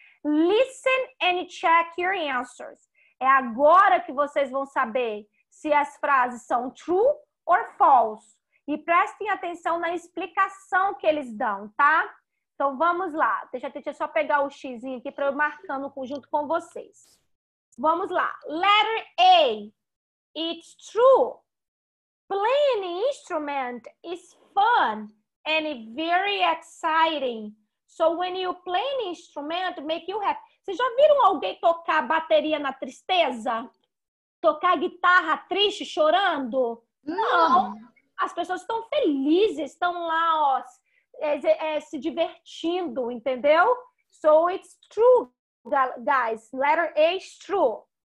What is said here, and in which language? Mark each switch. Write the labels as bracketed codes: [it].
[en] Listen and check your answers. [pt] É agora que vocês vão saber se as frases são true or false. E prestem atenção na explicação que eles dão, tá? Então, vamos lá. Deixa eu só pegar o xizinho aqui para eu ir marcando junto com vocês. Vamos lá. [en] Letter A. It's true. Playing an instrument is fun and very exciting. So when you play an instrument, make you happy. [pt] Vocês já viram alguém tocar bateria na tristeza? Tocar guitarra triste, chorando? Não. As pessoas estão felizes, estão lá, ó, se divertindo, entendeu? [en] So it's true, guys. Letter A is true.